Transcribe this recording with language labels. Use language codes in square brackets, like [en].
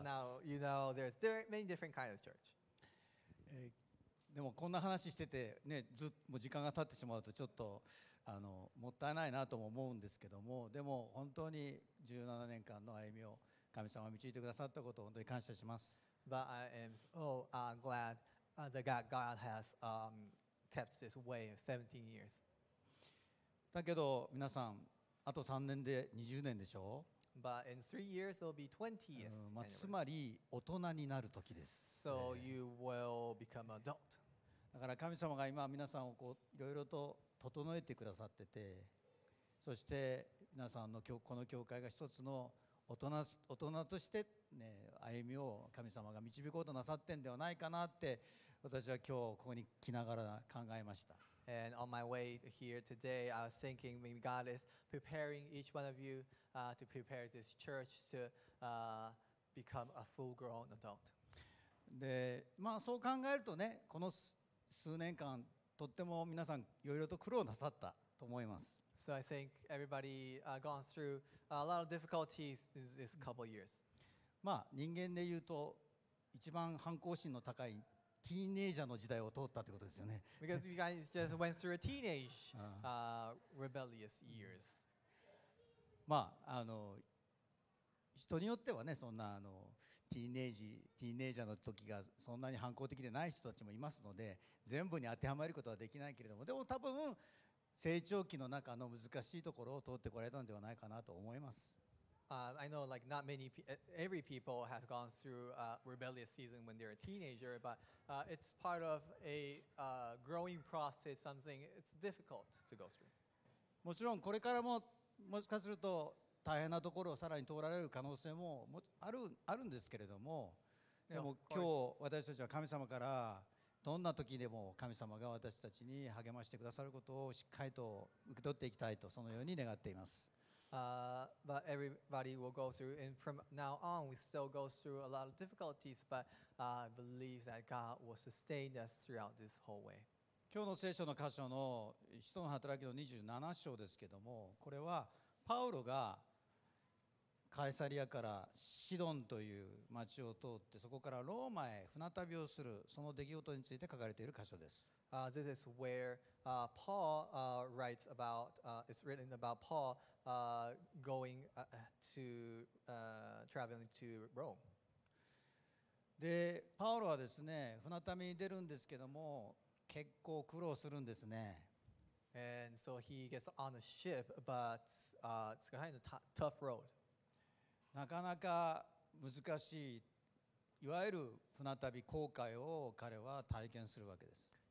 [en] So now you know there's many different kinds of church. [ja] でもこんな話しててね、ずっともう時間が経ってしまうとちょっともったいないなとも思うんですけども、でも本当に17年間の歩みを神様が導いてくださったことを本当に感謝します。 [en] But I am so glad that God has kept this way of 17 years. [ja] だけど皆さんあと3年で20年でしょう。 [en] But in 3 years it'll be 20 years. [ja] まあつまり大人になる時です。 [en] So you will become adult. [ja] だから神様が今皆さんをこういろいろと整えてくださってて、そして皆さんのこの教会が一つの大人として、ね、歩みを神様が導こうとなさってんではないかなって私は今日ここに来ながら考えました。 [en] And on my way here today, I was thinking maybe God is preparing each one of you to prepare this church to become a full-grown adult. [ja] で、まあそう考えるとね、この数年間とっても皆さんいろいろと苦労なさったと思います。 [en] So I think everybody gone through a lot of difficulties this couple years. [ja] まあ人間で言うと一番反抗心の高いティーネイジャーの時代を通ったということですよね。 [en] Because you guys just went through a teenage rebellious years. [ja] まあ人によってはね、そんなティーネージャーの時がそんなに反抗的でない人たちもいますので、全部に当てはまることはできないけれども、でも多分成長期の中の難しいところを通ってこられたのではないかなと思います。 [en] I know like not many every people have gone through a rebellious season when they're a teenager, but it's part of a growing process, something it's difficult to go through. [ja] もちろんこれからももしかすると大変なところをさらに通られる可能性もあるんですけれども、でも今日私たちは神様からどんな時でも神様が私たちに励ましてくださることをしっかりと受け取っていきたいと、そのように願っています。 [en] But everybody will go through, and from now on we still go through a lot of difficulties, but I believe that God will sustain us throughout this whole way. [ja] 今日の聖書の箇所の使徒の働きの27章ですけども、これはパウロがカエサリアからシドンという町を通って、そこからローマへ船旅をする、その出来事について書かれている箇所です。 [en] This is where Paul writes about, it's written about Paul going to traveling to Rome. [ja] で、パウロはですね、船旅に出るんですけども、結構苦労するんですね。 [en] And so he gets on a ship, but it's kind of tough road. [ja] なかなか難しい、いわゆる船旅航海を彼は体験するわけです。